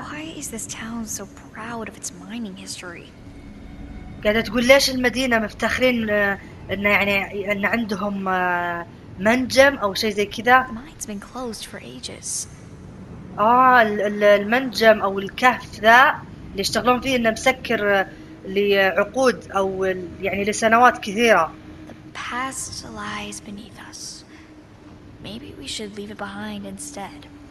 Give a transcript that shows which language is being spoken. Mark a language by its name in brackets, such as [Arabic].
[English] Why is this town so proud of its mining history؟ [Arabic] قاعدة تقول ليش المدينة مفتخرين إن يعني إن عندهم منجم أو شيء زي كذا؟ [English] Mine's been closed for ages. [Arabic] المنجم أو الكهف ذا اللي يشتغلون فيه إنه مسكر لعقود أو يعني لسنوات كثيرة. [English] The past lies beneath us. Maybe we should leave it behind instead.